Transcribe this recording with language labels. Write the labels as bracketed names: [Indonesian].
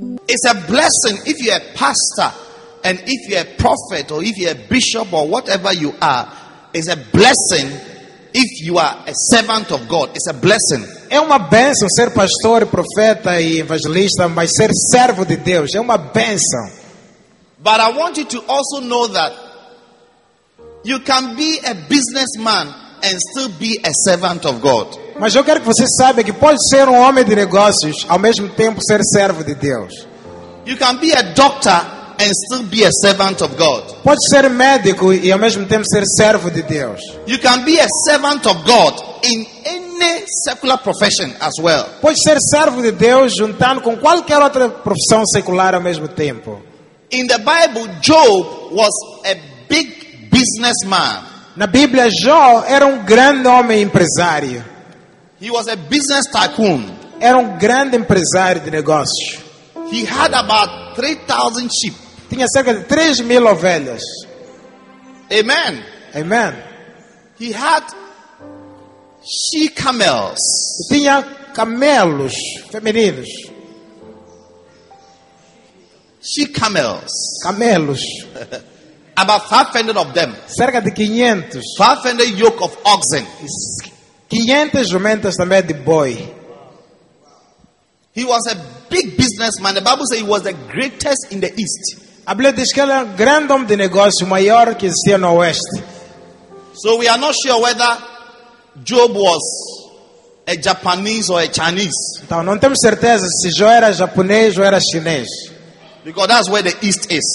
[English] It's a blessing if you're a pastor and if you're a prophet or if you're a bishop or whatever you are. It's a blessing if you are a servant of God. It's a blessing. [Portuguese] É uma bênção ser pastor, profeta e evangelista, mas ser servo de Deus é uma bênção. [English] But I want you to also know that you can be a businessman and still be a servant of God. [Portuguese] Mas eu quero que você saiba que pode ser homem de negócios ao mesmo tempo ser servo de Deus. [English] You can be a doctor and still be a servant of God. [Portuguese] Pode ser médico e ao mesmo tempo ser servo de Deus. [English] You can be a servant of God in any secular profession as well. [Portuguese] Pode ser servo de Deus juntando com qualquer outra profissão secular ao mesmo tempo. [English] In the Bible, Job was a big businessman. [Portuguese] Na Bíblia, Jó era grande homem empresário. [English] He was a business tycoon. [Portuguese] Era grande empresário de negócios. [English] He had about 3,000 sheep. [Portuguese] Tinha cerca de 3,000 ovelhas. Amen. Amen. [English] He had she camels. [Portuguese] Tinha camelos femininos. [English] She camels. [Portuguese] Camelos. [English] About 500 of them. [Portuguese] Cerca de 500. [English] 500 yoke of oxen. [Portuguese] 500 jumentas também de boi. [English] He was a big businessman. The Bible says he was the greatest in the east. [Portuguese] A Bíblia diz que ele era um grande homem de negócio, maior que existia no oeste. [English] So we are not sure whether Job was a Japanese or a Chinese. [Portuguese] Então não temos certeza se Job era japonês ou era chinês. [English] Because that's where the east is.